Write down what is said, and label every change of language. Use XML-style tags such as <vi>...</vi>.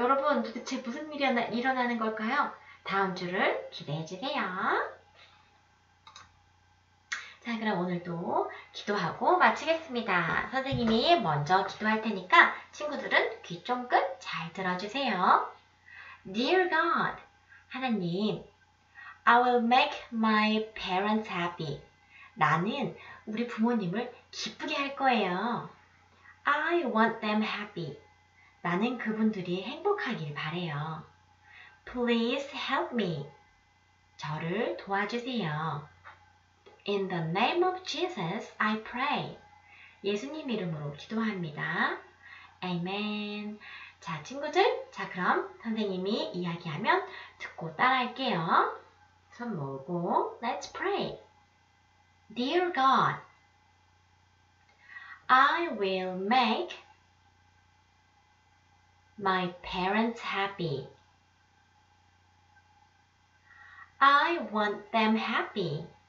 <ko>여러분, 도대체 무슨 일이 일어나는 걸까요? 다음 주를 기대해 주세요. 자, 그럼 오늘도 기도하고 마치겠습니다. 선생님이 먼저 기도할 테니까 친구들은 귀 쫑긋 잘 들어주세요.</ko> <en>Dear God, 하나님, I will make my parents happy.</en> <ko>나는 우리 부모님을 기쁘게 할 거예요.</ko> <en>I want them happy.</en> <ko>나는 그분들이 행복하길 바래요.</ko> <en>Please help me.</en> <ko>저를 도와주세요.</ko> <en>In the name of Jesus, I pray.</en> <ko>예수님 이름으로 기도합니다. Amen. 자, 친구들. 자, 그럼 선생님이 이야기하면 듣고 따라할게요. 손 모으고</ko> <en>Let's pray. Dear God, I will make my parents happy. I want them happy.</en>